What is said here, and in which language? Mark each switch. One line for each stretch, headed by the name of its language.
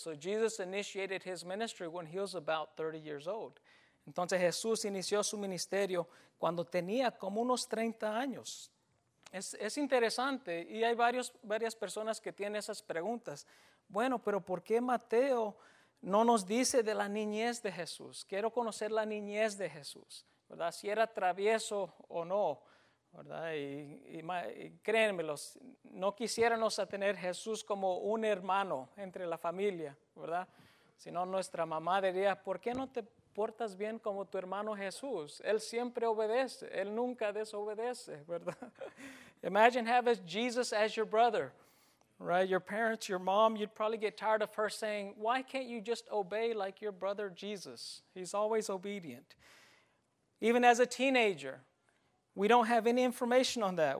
English: So Jesus initiated his ministry when he was about 30 years old.
Spanish: Entonces Jesús inició su ministerio cuando tenía como unos 30 años. Es interesante, y hay varias personas que tienen esas preguntas. Bueno, pero ¿por qué Mateo no nos dice de la niñez de Jesús? Quiero conocer la niñez de Jesús, ¿verdad? Si era travieso o no, ¿verdad? Y créanmelo, no quisiéramos tener Jesús como un hermano entre la familia, ¿verdad? Si no, nuestra mamá diría, ¿por qué no te portas bien como tu hermano Jesús? Él siempre obedece, él nunca desobedece, ¿verdad?
English: Imagine having Jesus as your brother, right? Your parents, your mom, you'd probably get tired of her saying, "Why can't you just obey like your brother Jesus? He's always obedient." Even as a teenager, we don't have any information on that.